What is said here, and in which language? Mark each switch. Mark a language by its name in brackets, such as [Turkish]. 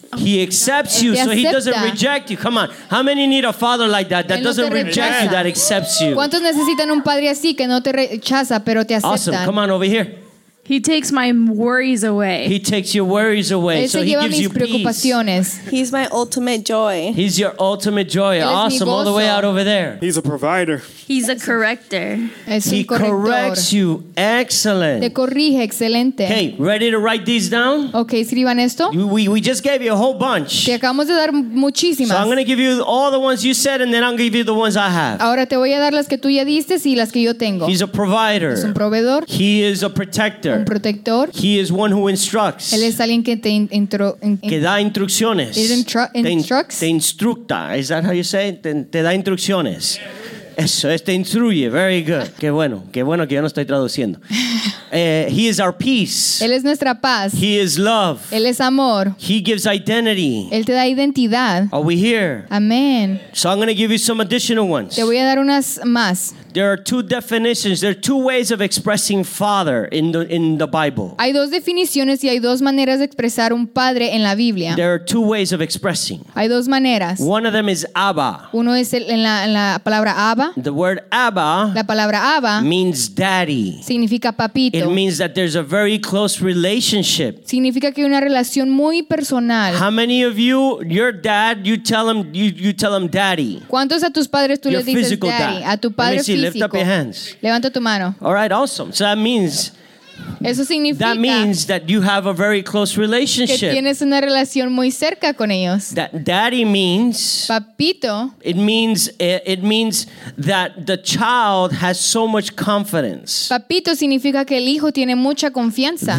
[English] He accepts you, so he doesn't reject you. Come on. How many need a father like that that [Spanish] no [English] doesn't reject you, that accepts you? [Spanish] ¿Cuántos necesitan un padre así que no te rechaza, pero te acepta? [English] Awesome. Come on over here. He takes my worries away. He takes your worries away, so he gives you peace. He's my ultimate joy. He's your ultimate joy. Awesome, all the way out over there. He's a provider. He's a corrector. He corrects you. Excellent. [Spanish] Te corrige, excelente. [English] Okay, ready to write these down? [Spanish] Okay, escriban esto. [English] We just gave you a whole bunch. [Spanish] Te acabamos de dar muchísimas. [English] So I'm going to give you all the ones you said, and then I'll give you the ones I have. [Spanish] Ahora te voy a dar las que tú ya diste y las que yo tengo. [English] He's a provider. [Spanish] Es un proveedor. [English] He is a protector. [Spanish] Un protector. [English] He is one who instructs. [Spanish] Él es alguien que te que da instrucciones. Te [English] instructa. Is that how you say it? [Spanish] Te da instrucciones. Eso, te instruye. [English] Very good. [Spanish] Qué bueno que yo no estoy traduciendo. [English] He is our peace. [Spanish] Él es nuestra paz. [English] He is love. [Spanish] Él es amor. [English] He gives identity. [Spanish] Él te da identidad. [English] Are we here? Amen. So I'm going to give you some additional ones. [Spanish] Te voy a dar unas más. [English] There are two definitions. There are two ways of expressing Father in the Bible. [Spanish] Hay dos definiciones y hay dos maneras de expresar un padre en la Biblia. [English] There are two ways of expressing. [Spanish] Hay dos maneras. [English] One of them is Abba. [Spanish] Uno es en la palabra Abba. [English] The word Abba. [Spanish] La palabra Abba [English] means daddy. [Spanish] Significa papito. [English] It means that there's a very close relationship. [Spanish] Significa que hay una relación muy personal. [English] How many of you, your dad, you tell him daddy? [Spanish] ¿Cuántos a tus padres tú le dices daddy? A tu padre. [English] See, lift up your hands. [Spanish] Levanta tu mano. [English] All right, awesome. So that means. [Spanish] Eso significa [English] that means that you have a very close relationship. [Spanish] Que tienes una relación muy cerca con ellos. [English] That daddy means. [Spanish] Papito. [English] It means that the child has so much confidence. [Spanish] Papito significa que el hijo tiene mucha confianza.